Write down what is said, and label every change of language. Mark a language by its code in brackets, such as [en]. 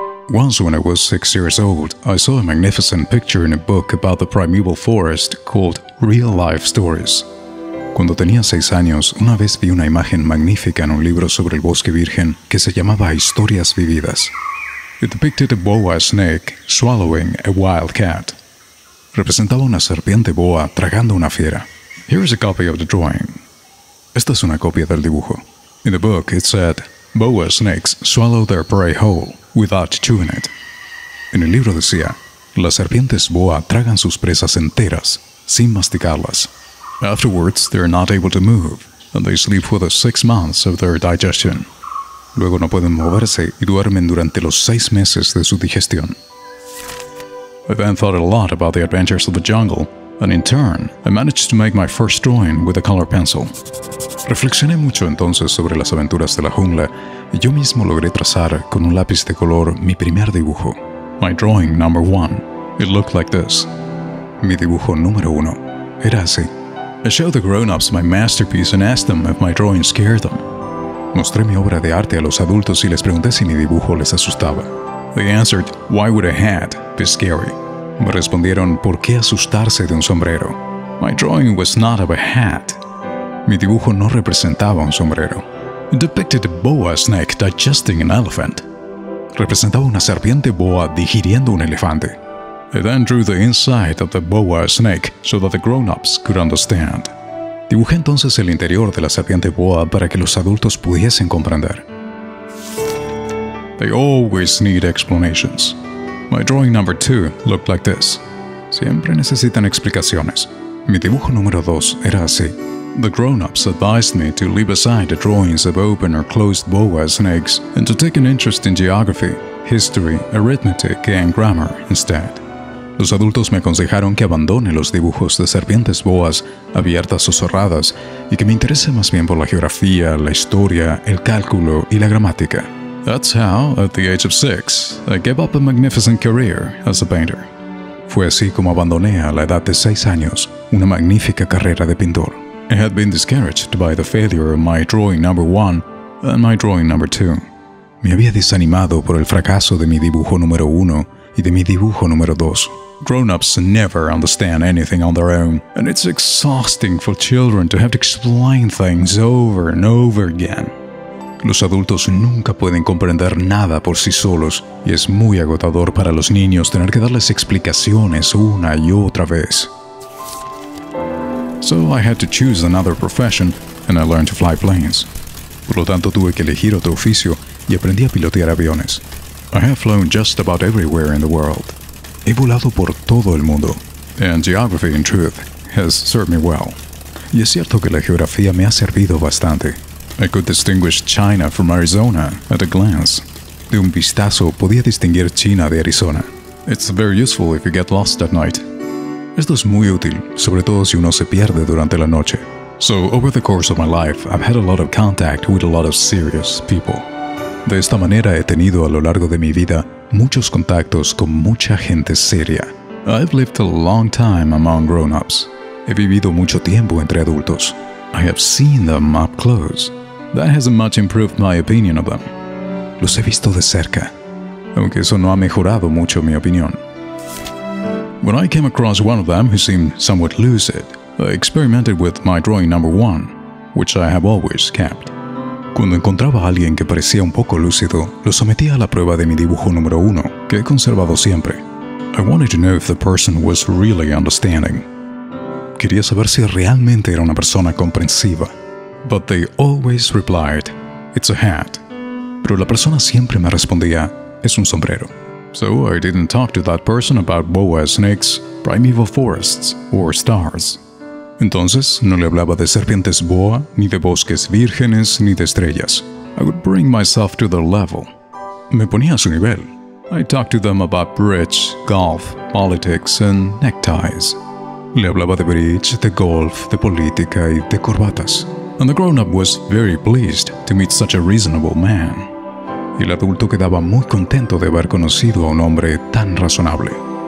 [en] Once when I was 6 years old, I saw a magnificent picture in a book about the primeval forest called Real Life Stories. [es] Cuando tenía 6 años, una vez vi una imagen magnífica en un libro sobre el bosque virgen que se llamaba Historias Vividas. [en] It depicted a boa snake swallowing a wild cat. [es] Representaba una serpiente boa tragando una fiera. [en] Here's a copy of the drawing. [es] Esta es una copia del dibujo. [en] In the book, it said, boa snakes swallow their prey whole without chewing it. [es] En el libro decía, las serpientes boa tragan sus presas enteras sin masticarlas. [en] Afterwards, they are not able to move, and they sleep for the 6 months of their digestion. [es] Luego no pueden moverse y duermen durante los 6 meses de su digestión. [en] I then thought a lot about the adventures of the jungle, and in turn, I managed to make my first drawing with a color pencil. [es] Reflexioné mucho entonces sobre las aventuras de la jungla, y yo mismo logré trazar con un lápiz de color mi primer dibujo. [en] My drawing number one. It looked like this. [es] Mi dibujo número uno. Era así. [en] I showed the grown-ups my masterpiece and asked them if my drawing scared them. [es] Mostré mi obra de arte a los adultos y les pregunté si mi dibujo les asustaba. [en] They answered, "Why would a hat be scary?" [es] Me respondieron, "¿Por qué asustarse de un sombrero?" [en] My drawing was not of a hat. [es] Mi dibujo no representaba un sombrero. [en] It depicted a boa snake digesting an elephant. [es] Representaba una serpiente boa digiriendo un elefante. [en] I then drew the inside of the boa snake so that the grown-ups could understand. [es] Dibujé entonces el interior de la serpiente boa para que los adultos pudiesen comprender. [en] They always need explanations. My drawing number two looked like this. [es] Siempre necesitan explicaciones. Mi dibujo número dos era así. [en] The grown-ups advised me to leave aside the drawings of open or closed boa snakes and to take an interest in geography, history, arithmetic, and grammar instead. [es] Los adultos me aconsejaron que abandone los dibujos de serpientes boas, abiertas o cerradas, y que me interese más bien por la geografía, la historia, el cálculo y la gramática. [en] That's how, at the age of 6, I gave up a magnificent career as a painter. [es] Fue así como abandoné a la edad de 6 años una magnífica carrera de pintor. [en] I had been discouraged by the failure of my drawing number one and my drawing number two. [es] Me había desanimado por el fracaso de mi dibujo número uno y de mi dibujo número dos. [en] Grown-ups never understand anything on their own, and it's exhausting for children to have to explain things over and over again. [es] Los adultos nunca pueden comprender nada por sí solos, y es muy agotador para los niños tener que darles explicaciones una y otra vez. [en] So I had to choose another profession, and I learned to fly planes. [es] Por lo tanto, tuve que elegir otro oficio y aprendí a pilotear aviones. [en] I have flown just about everywhere in the world. [es] He volado por todo el mundo. [en] And geography, in truth, has served me well. [es] Y es cierto que la geografía me ha servido bastante. [en] I could distinguish China from Arizona at a glance. [es] De un vistazo podía distinguir China de Arizona. [en] It's very useful if you get lost at night. [es] Esto es muy útil, sobre todo si uno se pierde durante la noche. [en] So, over the course of my life, I've had a lot of contact with a lot of serious people. [es] De esta manera he tenido a lo largo de mi vida muchos contactos con mucha gente seria. [en] I've lived a long time among grown-ups. [es] He vivido mucho tiempo entre adultos. [en] I have seen them up close. That hasn't much improved my opinion of them. [es] Los he visto de cerca. Aunque eso no ha mejorado mucho mi opinión. [en] When I came across one of them who seemed somewhat lucid, I experimented with my drawing number one, which I have always kept. [es] Cuando encontraba a alguien que parecía un poco lúcido, lo sometía a la prueba de mi dibujo número uno, que he conservado siempre. [en] I wanted to know if the person was really understanding. [es] Quería saber si realmente era una persona comprensiva. [en] But they always replied, "It's a hat." [es] Pero la persona siempre me respondía, "Es un sombrero." [en] So I didn't talk to that person about boa snakes, primeval forests, or stars. [es] Entonces, no le hablaba de serpientes boa, ni de bosques vírgenes, ni de estrellas. [en] I would bring myself to their level. [es] Me ponía a su nivel. [en] I talked to them about bridge, golf, politics, and neckties. [es] Le hablaba de bridge, de golf, de política y de corbatas. [en] And the grown-up was very pleased to meet such a reasonable man. [es] Y el adulto quedaba muy contento de haber conocido a un hombre tan razonable.